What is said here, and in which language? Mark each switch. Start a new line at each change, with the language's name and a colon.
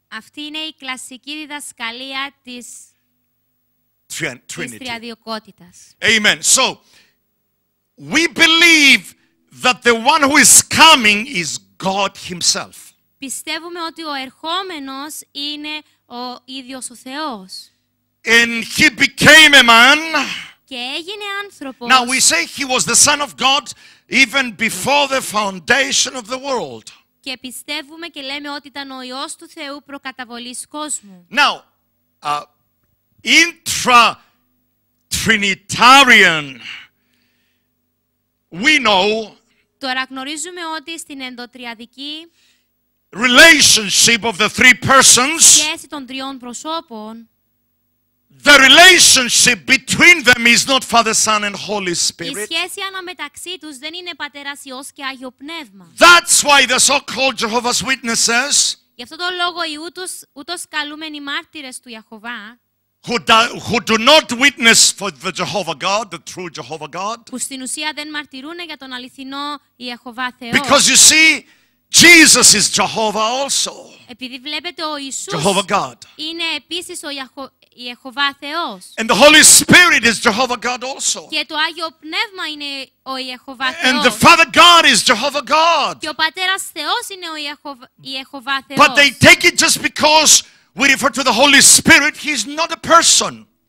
Greek: Αυτή είναι η κλασική διδασκαλία της τριαδιοκότητας.
English: Amen. So, we believe that the one who is coming is God himself.
Greek: Πιστεύουμε ότι ο ερχόμενος είναι ο ίδιος ο Θεός.
English: And he became a man.
Greek: Και έγινε άνθρωπος.
English: Now we say he was the son of God even before the foundation of the world.
Greek: Και πιστεύουμε και λέμε ότι ήταν ο Υιός του Θεού προκαταβολής κόσμου.
English: Now, intra-trinitarian, we know.
Greek: Τώρα γνωρίζουμε ότι στην ενδοτριαδική
English: relationship of the three persons,
Greek: σχέση των τριών προσώπων,
English: the relationship between them is not Father, Son, and Holy Spirit.
Greek: Η σχέση ανάμεταξύ τους δεν είναι Πατέρας, Υιός και Άγιο Πνεύμα.
English: That's why the so-called Jehovah's Witnesses,
Greek: γι' αυτό το λόγο οι ούτως καλούμενοι μάρτυρες του Ιαχωβά,
English: who do not witness for the Jehovah God, the true Jehovah God,
Greek: που στην ουσία δεν μαρτυρούν για τον αληθινό Ιαχωβά Θεό.
English: Because you see, Jesus is Jehovah also.
Greek: Επειδή βλέπετε ο Ιησούς
English: Jehovah God.
Greek: Είναι επίσης ο Ιεχωβά Θεός.
English: And the Holy Spirit is Jehovah God also.
Greek: Και το Άγιο Πνεύμα είναι ο Ιεχωβά Θεός.
English: And the Father God is Jehovah God.
Greek: Και ο Πατέρας Θεός είναι ο Ιεχωβά Θεός.
English: But they take it just because we refer to the Holy Spirit, he's not a person.